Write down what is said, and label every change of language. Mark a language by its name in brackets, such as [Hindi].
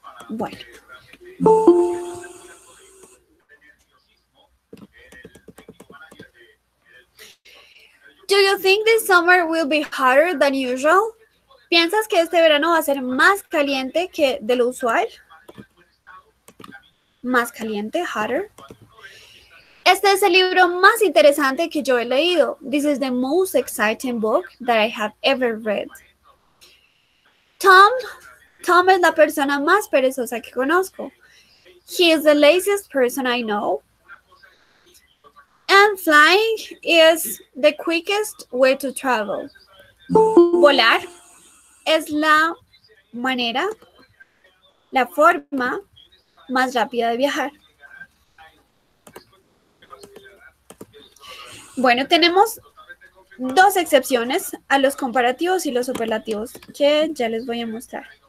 [Spanish] Bueno. [English] Do you think this summer will be hotter than usual? [Spanish] ¿Piensas que este verano va a ser más caliente que de lo usual? Más caliente, hotter. Este es el libro más interesante que yo he leído. [English] This is the most exciting book that I have ever read. [Spanish] Tom es la persona más perezosa que conozco. [English] He is the laziest person I know. And flying is the quickest way to travel. [Spanish] Volar es la manera, la forma más rápida de viajar. Bueno, tenemos dos excepciones a los comparativos y los superlativos que ya les voy a mostrar.